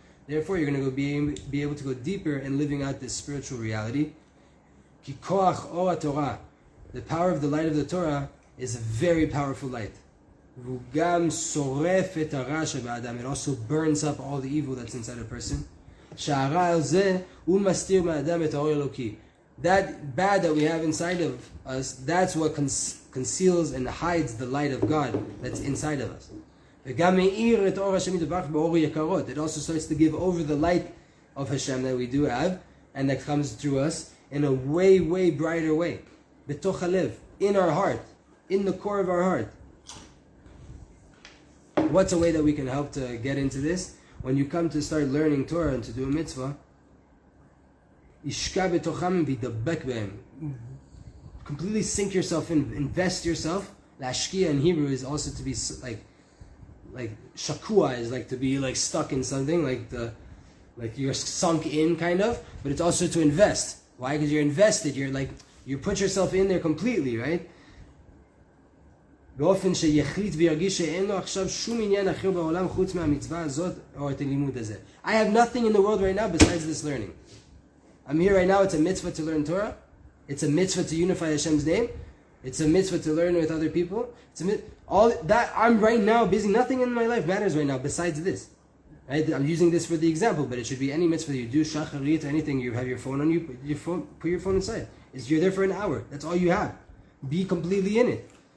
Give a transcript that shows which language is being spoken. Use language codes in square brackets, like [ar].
[en] Therefore, you're going to be able to go deeper in living out this spiritual reality. The power of the light of the Torah is a very powerful light. It also burns up all the evil that's inside a person. [he] שהרע הזה הוא מסתיר מאדם את האור האלוקי. [en] That bad that we have inside of us, that's what conceals and hides the light of God that's inside of us. [he] וגם מאיר את אור השם יתברך באור יקרות. [en] It also starts to give over the light of Hashem that we do have and that comes through us in a way, way brighter way. [he] בתוך הלב, [en] in our heart, in the core of our heart. What's a way that we can help to get into this? When you come to start learning Torah and to do a mitzvah, [he] ישקה בתוכם וידבק בהם. [en] Completely sink yourself in, invest yourself. להשקיע in Hebrew is also to be like shakua is like to be like stuck in something, like you're sunk in kind of, but it's also to invest. Why? Because you're invested, you're like, you put yourself in there completely, right? [he] באופן שיחליט וירגיש שאין לו עכשיו שום עניין אחר בעולם חוץ מהמצווה הזאת או את הלימוד הזה. [en] I have nothing in the world right now besides this learning. I'm here right now, it's a mitzvah to learn Torah. It's a mitzvah to unify Hashem's name. It's a mitzvah to learn with other people. It's a all that I'm right now busy. Nothing in my life matters right now besides this. Right? I'm using this for the example, but it should be any mitzvah that you do, shacharit, anything, you have your phone on you, put your phone inside. You're there for an hour. That's all you have. Be completely in it.